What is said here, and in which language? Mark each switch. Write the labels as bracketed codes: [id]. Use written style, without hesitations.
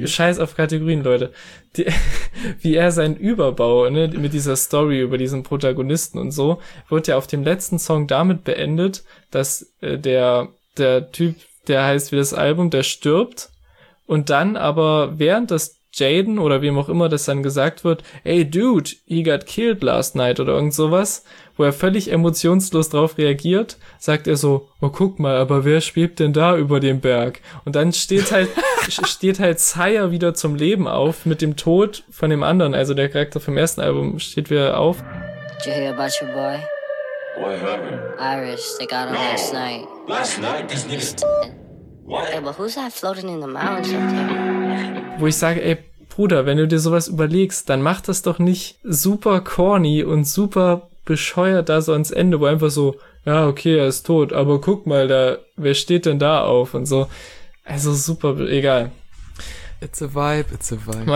[de] Ja, scheiß auf Kategorien, Leute. Wie er seinen Überbau, ne, mit dieser Story über diesen Protagonisten und so, wird ja auf dem letzten Song damit beendet, dass der Typ, der heißt wie das Album, der stirbt und dann aber während das Jaden oder wem auch immer das dann gesagt wird, [en] ey dude, he got killed last night [de] oder irgend sowas, wo er völlig emotionslos drauf reagiert, sagt er so, oh guck mal, aber wer schwebt denn da über dem Berg? Und dann steht halt Sire wieder zum Leben auf mit dem Tod von dem anderen, also der Charakter vom ersten Album steht wieder auf. [en] Did you hear about your boy? What happened? Irish, they got him no. Last night. Last night? This nigga... What? Hey, but who's that floating in the mountains up there? [de] Wo ich sage, ey, Bruder, wenn du dir sowas überlegst, dann mach das doch nicht super corny und super bescheuert da so ans Ende, wo einfach so, ja, okay, er ist tot, aber guck mal, da, wer steht denn da auf und so. Also super, egal. [en] It's a vibe, it's a vibe.